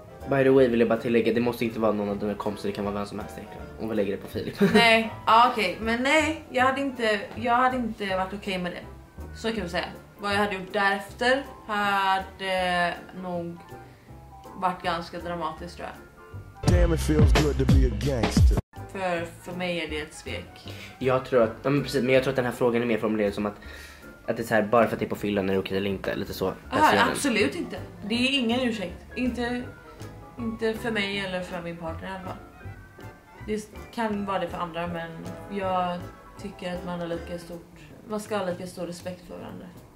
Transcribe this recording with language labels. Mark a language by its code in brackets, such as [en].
[en] By the way, [sv] vill jag bara tillägga, det måste inte vara någon av dina kompisar, det kan vara vem som helst egentligen. Om vi lägger det på Filip. Nej, okej. Okay. Men nej, jag hade inte varit okej med det. Så kan vi säga. Vad jag hade gjort därefter hade nog varit ganska dramatiskt, tror jag. [en] Damn, it feels good to be a gangster. [sv] För mig är det ett svek. Jag tror att, men precis, men jag tror att den här frågan är mer formulerad som att det är så här, bara för att det är på fyllan är det okej eller inte, lite så. Absolut inte. Det är ingen ursäkt. Inte för mig eller för min partner i alla fall. Det kan vara det för andra, men jag tycker att man ska ha lika stor respekt för varandra.